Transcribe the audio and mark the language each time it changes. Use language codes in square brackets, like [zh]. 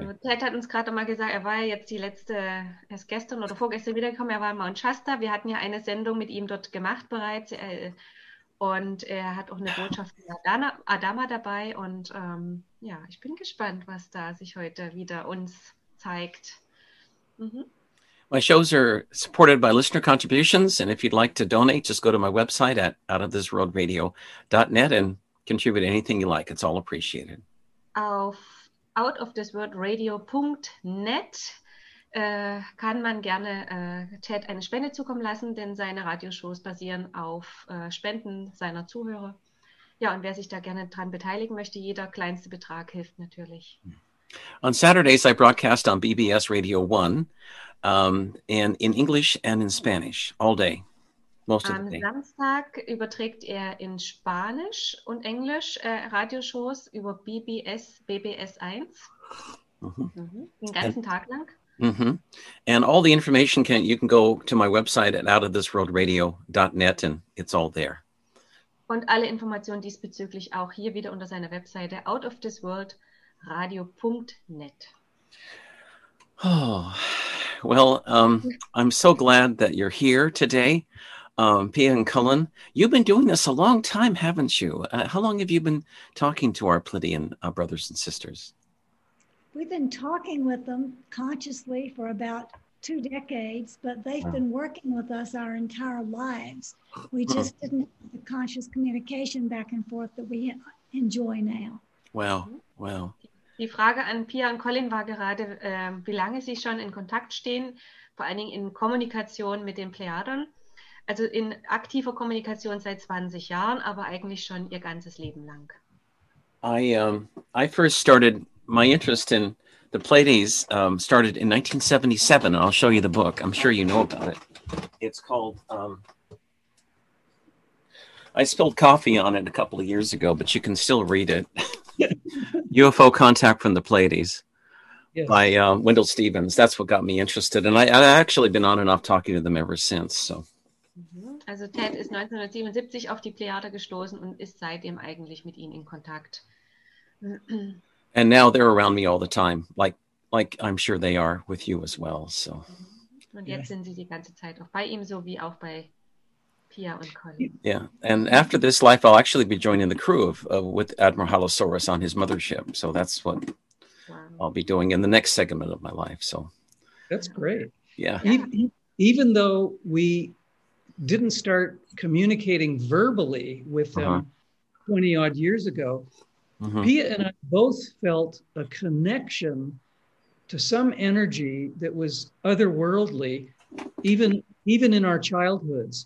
[de] Also, Ted hat uns gerade mal gesagt, er war jetzt die letzte, erst gestern oder vorgestern wiedergekommen, er war in Mount Shasta. Wir hatten ja eine Sendung mit ihm dort gemacht bereits. Und er hat auch eine Botschaft von Adama dabei. Und ja, ich bin gespannt, was da sich heute wieder uns zeigt. [en] My shows are supported by listener contributions, and if you'd like to donate, just go to my website at outofthisworldradio.net and contribute anything you like. It's all appreciated. [de] Auf outofthisworldradio.net kann man gerne Ted eine Spende zukommen lassen, denn seine Radioshows basieren auf Spenden seiner Zuhörer. Ja, und wer sich da gerne dran beteiligen möchte, jeder kleinste Betrag hilft natürlich. [en] On Saturdays, I broadcast on BBS Radio 1. And in English and in Spanish all day, most of [de] Am [en] the day. [de] Samstag überträgt er in Spanisch und Englisch Radioshows über BBS 1. Den ganzen Tag lang. [en] And all the information can you can go to my website at outoftheworldradio.net and it's all there. [de] Und alle Informationen diesbezüglich auch hier wieder unter seiner Webseite outofthisworldradio.net. [en] Oh. Well, I'm so glad that you're here today. Pia and Cullen, you've been doing this a long time, haven't you? How long have you been talking to our Plitian brothers and sisters? We've been talking with them consciously for about 2 decades, but they've been working with us our entire lives. We just didn't have the conscious communication back and forth that we enjoy now. Well. [de] Die Frage an Pia und Colin war gerade, wie lange sie schon in Kontakt stehen, vor allen Dingen in Kommunikation mit den Plejadern. Also in aktiver Kommunikation seit 20 Jahren, aber eigentlich schon ihr ganzes Leben lang. [en] I first started my interest in the Pleiades started in 1977. I'll show you the book. I'm sure you know about it. It's called, I spilled coffee on it a couple of years ago, but you can still read it. UFO Contact from the Pleiades, yes. By Wendell Stevens. That's what got me interested. And I've actually been on and off talking to them ever since. So. [de] Also Ted ist 1977 auf die Plejade gestoßen und ist seitdem eigentlich mit ihnen in Kontakt. [en] And now they're around me all the time, like I'm sure they are with you as well. So. [de] Und jetzt sind sie die ganze Zeit auch bei ihm, so wie auch bei Pia und Colin. [en] Yeah, and after this life, I'll actually be joining the crew with Admiral Halosaurus on his mothership. So that's what I'll be doing in the next segment of my life. So. That's great. Yeah. Even though we didn't start communicating verbally with them 20 odd years ago, Pia and I both felt a connection to some energy that was otherworldly, even in our childhoods.